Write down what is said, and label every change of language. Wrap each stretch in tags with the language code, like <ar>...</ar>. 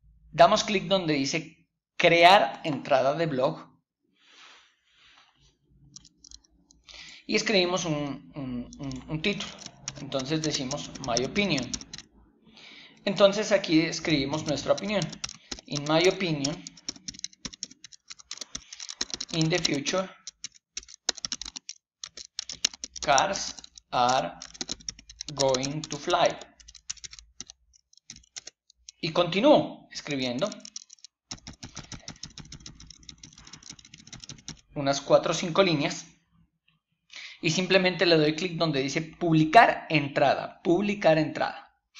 <es>Damos clic donde dice crear entrada de blog y escribimos un título. Entonces decimos My Opinion. Entonces aquí escribimos nuestra opinión.</es> <en>In my opinion, in the future, cars are going to fly.</en> <es>Y continúo escribiendo unas 4 o 5 líneas y simplemente le doy clic donde dice publicar entrada, publicar entrada.</es>